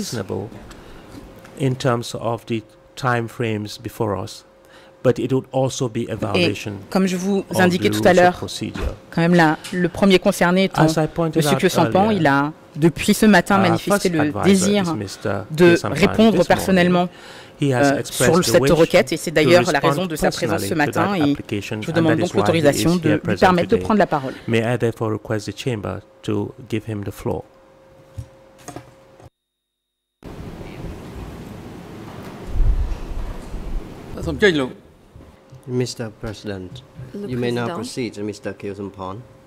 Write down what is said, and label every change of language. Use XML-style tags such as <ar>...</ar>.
<en>Unreasonable in terms of the time frames before us, but it would also be a violation.</en> <fr>Et comme je vous indiquais tout à l'heure, quand même le premier concerné étant M. Kyusampan, il a depuis ce matin manifesté le désir de répondre personnellement sur cette requête, et c'est d'ailleurs la raison de sa présence ce matin, et je vous demande donc l'autorisation de lui permettre de prendre la parole.</fr> <en>May I therefore request the chamber to give him the floor. Mr. President, you may now proceed to Mr. Kyusampan.</en>